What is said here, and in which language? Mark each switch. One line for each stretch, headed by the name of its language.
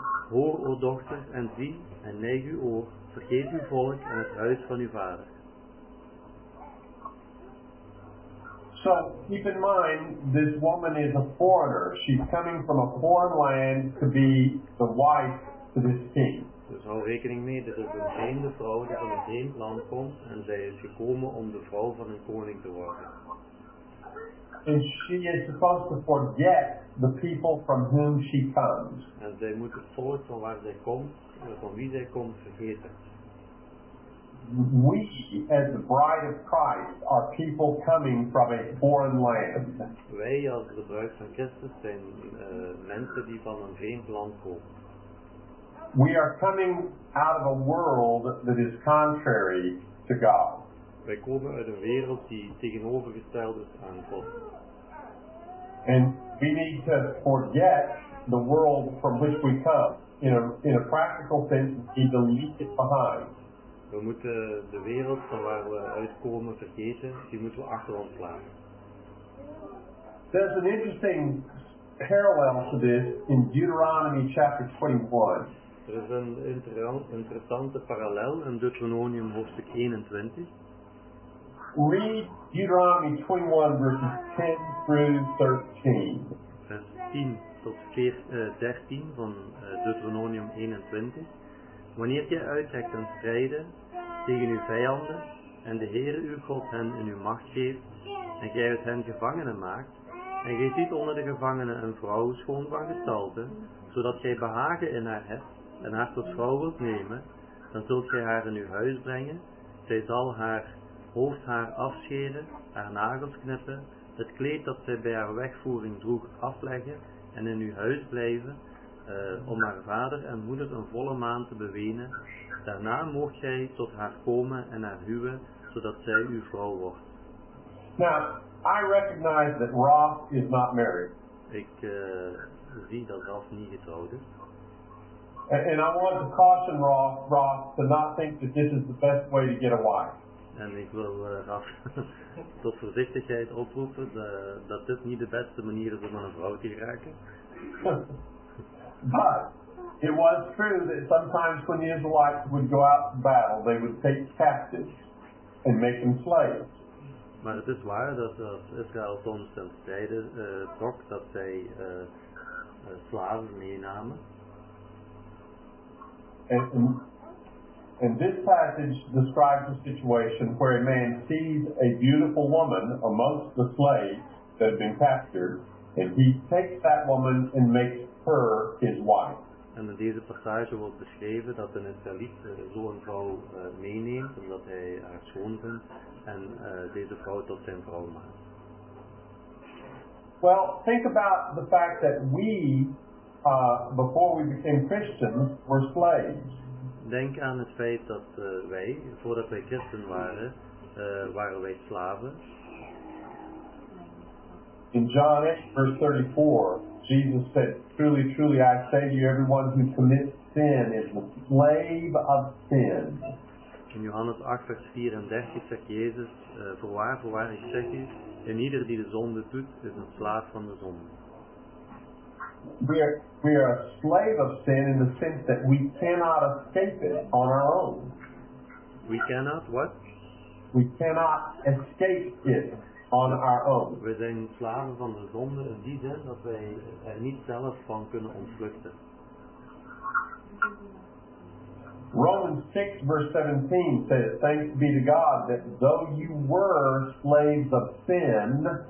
Dutch: Hoor, o dochter, en zie, en neig uw oor, vergeet uw volk en het huis van uw vader.
English: So, keep in mind, this woman is a foreigner. She's coming from a foreign land to be the wife to this king.
Dutch: Dus hou rekening mee, dit is een vreemde vrouw die van een vreemd land komt en zij is gekomen om de vrouw van een koning te worden.
English: And she is supposed to forget the people from whom she comes.
Dutch: En zij moet het volk van waar zij komt, van wie zij komt, vergeten.
English: We, as the bride of Christ, are people coming from a foreign land.
Dutch: Wij als de bruid van Christus zijn mensen die van een vreemd land komen.
English: We are coming out of a world that is contrary to God.
Dutch: Wij komen uit een wereld die tegenovergesteld is aan God.
English: And we need to forget the world from which we come. In a practical sense, we need to leave it behind.
Dutch: We moeten de wereld van waar we uitkomen vergeten, die moeten we achter ons laten.
English: There's an interesting parallel to this in Deuteronomy chapter 21.
Dutch: Er is een interessante parallel in Deuteronomium hoofdstuk 21.
English: Read Deuteronomy 21 verses 10 through 13.
Dutch: Vers 10 tot 13 van Deuteronomium 21. Wanneer jij uittrekt en strijden tegen uw vijanden en de Heere uw God hen in uw macht geeft en gij uit hen gevangenen maakt en gij ziet onder de gevangenen een vrouw schoon van gestalte, zodat gij behagen in haar hebt en haar tot vrouw wilt nemen, dan zult gij haar in uw huis brengen. Zij zal haar hoofdhaar afscheren, haar nagels knippen, het kleed dat zij bij haar wegvoering droeg afleggen en in uw huis blijven, om haar vader en moeder een volle maand te bewenen. Daarna moogt gij tot haar komen en haar huwen, zodat zij uw vrouw wordt.
English: Now, I recognize that Roth is not married.
Dutch: Ik zie dat Roth niet getrouwd is.
English: And I want to caution Roth to not think that this is the best way to get a wife.
Dutch: En ik wil Roth tot voorzichtigheid oproepen dat dit niet de beste manier is om aan een vrouw te geraken.
English: But it was true that sometimes when the Israelites would go out to battle, they would take captives and make them slaves.
Dutch: Maar het is waar dat als Israël soms ten strijde trok, dat zij slaven meenamen.
English: And this passage describes a situation where a man sees a beautiful woman amongst the slaves that have been captured, and he takes that woman and makes her his wife.
Dutch: En in deze passage wordt beschreven dat een Israëliet zo'n vrouw meeneemt, omdat hij haar schoon vindt, en deze vrouw tot zijn vrouw maakt.
English: Well, think about the fact that we, before we became Christians, were slaves.
Dutch: Denk aan het feit dat wij, voordat wij christen waren, waren wij slaven.
English: In John 8, verse 34, Jesus said, "Truly, truly, I say to you, everyone who commits sin is the slave of sin."
Dutch: In Johannes 8, vers 34 zegt Jezus, voorwaar ik zeg je, en ieder die de zonde doet, is een slaaf van de zonde.
English: We are a slave of sin in the sense that we cannot escape it on our own. We cannot what? We cannot escape it on our own.
Dutch: We zijn slaven van de zonde in die zin dat wij er niet zelf van kunnen ontvluchten.
English: Romans 6, verse 17 says, thanks be to God that though you were slaves of sin,